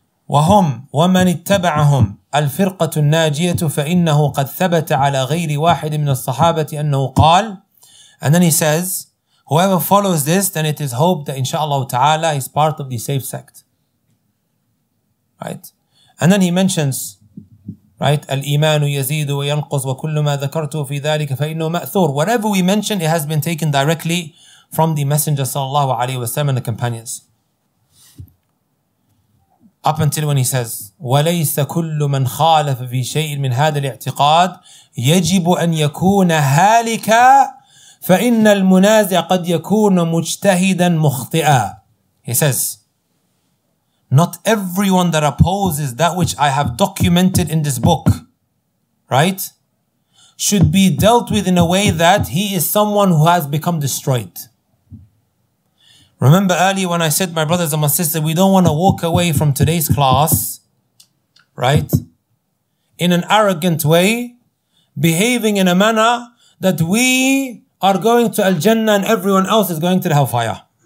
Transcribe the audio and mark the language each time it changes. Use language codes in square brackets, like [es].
[ar] وَهُمْ وَمَنِ اتَّبَعَهُمْ الْفِرْقَةُ النَّاجِيَةُ فَإِنَّهُ قَدْ ثَبَتَ عَلَى غَيْرِ وَاحِدٍ مِنَ الصَّحَابَةِ أَنَّهُ قَالْ [en] And then he says, whoever follows this, then it is hoped that inshallah ta'ala is part of the safe sect. Right? And then he mentions, right, [ar] الإيمان يزيد وينقص وكل ما ذكرته في ذلك فإنه مأثور. [en] Whatever we mention, it has been taken directly from the Messenger sallallahu alayhi wa sallam and the companions. Up until when he says, [ar] وليس كل من خالف في شيء من هذا الاعتقاد يجب أن يكون هالكا فإن المنازع قد يكون مجتهدا مخطئا. [en] He says, not everyone that opposes that which I have documented in this book right, should be dealt with in a way that he is someone who has become destroyed. Remember earlier when I said, my brothers and my sisters, we don't want to walk away from today's class, right, in an arrogant way, behaving in a manner that we are going to Al-Jannah and everyone else is going to the hellfire.